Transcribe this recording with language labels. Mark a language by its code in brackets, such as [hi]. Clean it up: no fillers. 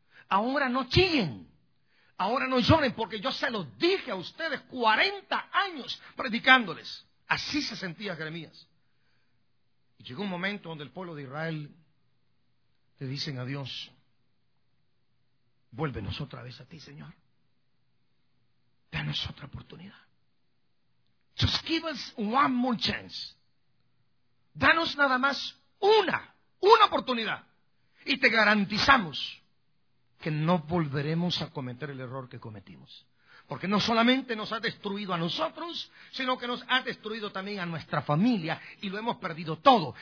[es] Ahora no chillen. Ahora no lloren, porque yo se los dije a ustedes 40 años predicándoles. Así se sentía Jeremías. Y llegó un momento donde el pueblo de Israel le dicen a Dios, vuélvenos otra vez a ti, Señor. Danos otra oportunidad. [en] Just give us one more chance. [es] Danos nada más una oportunidad. Y te garantizamos que no volveremos a cometer el error que cometimos. Porque no solamente nos ha destruido a nosotros, sino que nos ha destruido también a nuestra familia, y lo hemos perdido todo.